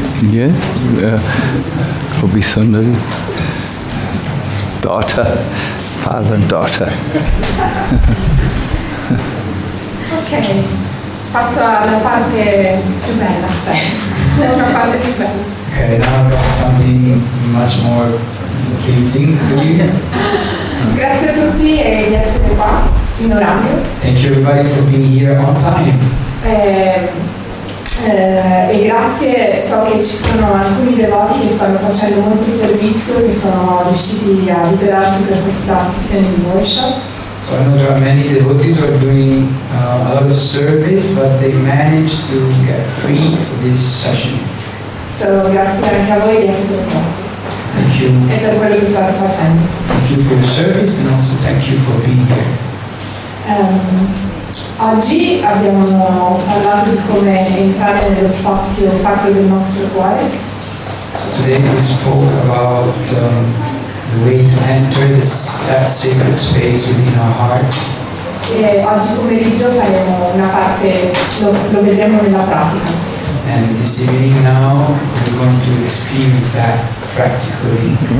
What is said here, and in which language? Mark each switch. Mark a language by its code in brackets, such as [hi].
[en] Yes? Gopi Sundari. Daughter. Father and daughter. [it] Okay. Passo alla parte più bella, aspetta. [en] Ok, now I've got something much more pleasing for you. [it] Grazie a tutti di essere qua, in orario. [en] Thank you everybody for being here on time. [it] E grazie, so che ci sono alcuni devoti che stanno facendo molto servizio, che sono riusciti a liberarsi per questa sessione di workshop. [en] So I know there are many devotees who are doing a lot of service, but they managed to get free for this session. [it] So grazie anche a voi di essere qua. [en] Thank you. [it] E per quello che state facendo. [en] Thank you for your service and also thank you for being here. [it] Oggi abbiamo parlato di come entrare nello spazio sacro del nostro cuore. [en] So today we spoke about the way to enter this, that sacred space within our heart. [it] E oggi pomeriggio faremo una parte, lo vedremo nella pratica. [en] And this evening now we're going to experience that practically.